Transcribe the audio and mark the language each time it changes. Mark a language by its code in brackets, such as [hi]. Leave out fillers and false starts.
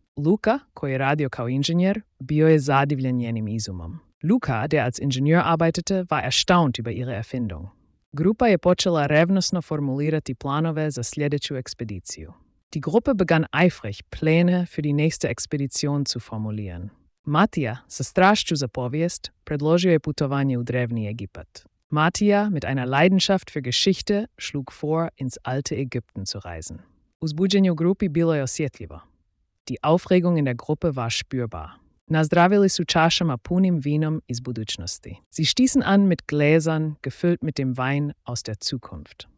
[hr] Luka, koji je radio kao inženjer, bio je zadivljen njenim izumom. [de] Luka, der als Ingenieur arbeitete, war erstaunt über ihre Erfindung. [hr] Grupa je počela revnosno formulirati planove za sljedeću ekspediciju. [de] Die Gruppe begann eifrig, Pläne für die nächste Expedition zu formulieren. [hr] Matija, sa strašću za povijest, predložio je putovanje u drevni Egipat. [de] Matija, mit einer Leidenschaft für Geschichte, schlug vor, ins alte Ägypten zu reisen. [hr] Uzbuđenje u grupi bilo je osjetljivo. [de] Die Aufregung in der Gruppe war spürbar. [hr] Nazdravili su čašama punim vinom iz budućnosti. [de] Sie stießen an mit Gläsern, gefüllt mit dem Wein aus der Zukunft.